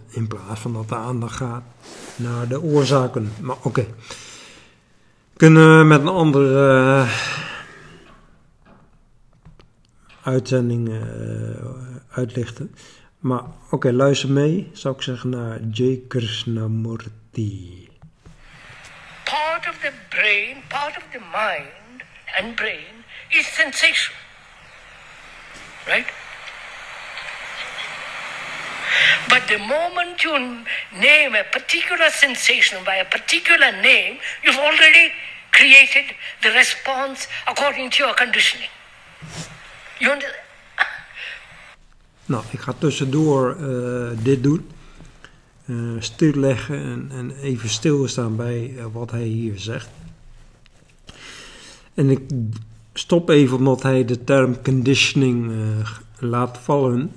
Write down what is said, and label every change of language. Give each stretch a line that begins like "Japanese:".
Dutch: In plaats van dat de aandacht gaat naar de oorzaken. Maar oké. Kunnen we met een andere uitzending uitlichten. Maar oké, luister mee, zou ik zeggen, naar J. Krishnamurti.
English: Part of the brain, part of the mind and brain is sensation. Right? But the moment you name a particular sensation by a particular name, you've already created the response according to your conditioning.
Dutch: Nou, ik ga tussendoor dit doen. Stilleggen en even stilstaan bij wat hij hier zegt. En ik stop even omdat hij de term conditioning laat vallen.